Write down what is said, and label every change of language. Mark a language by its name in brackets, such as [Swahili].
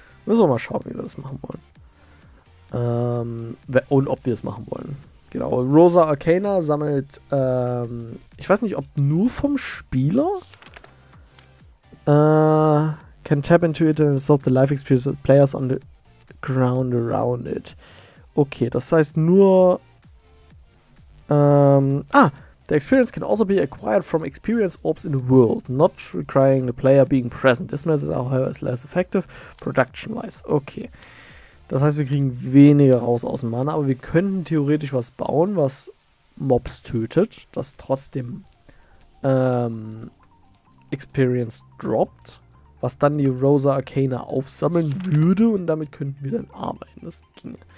[German] Müssen wir mal schauen, wie wir das machen wollen. Und ob wir es machen wollen. Genau, Rosa Arcana sammelt, ich weiß nicht, ob nur vom Spieler? [English] Can tap into it and absorb the life experience of players on the ground around it. [German] Okay, das heißt nur, [English] the experience can also be acquired from experience orbs in the world, not requiring the player being present. This method, however, is less effective production-wise. Okay. [German] Das heißt, wir kriegen weniger raus aus dem Mana, aber wir könnten theoretisch was bauen, was Mobs tötet, das trotzdem Experience droppt, was dann die Rosa Arcana aufsammeln würde und damit könnten wir dann arbeiten. Das ginge.